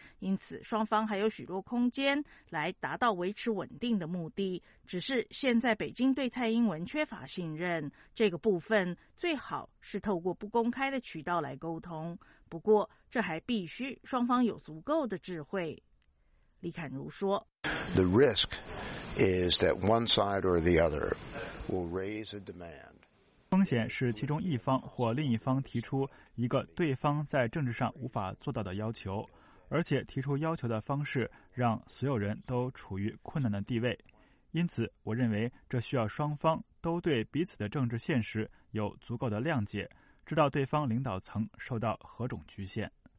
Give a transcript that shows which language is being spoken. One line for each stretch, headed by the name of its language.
Chinese: 因此双方还有许多空间来达到维持稳定的目的，只是现在北京对蔡英文缺乏信任，这个部分最好是透过不公开的渠道来沟通，不过这还必须双方有足够的智慧。李侃如说，
English: The risk is that one side or the other will raise a demand.
Chinese: 风险是其中一方或另一方提出一个对方在政治上无法做到的要求，而且提出要求的方式让所有人都处于困难的地位。因此，我认为这需要双方都对彼此的政治现实有足够的谅解，知道对方领导层受到何种局限。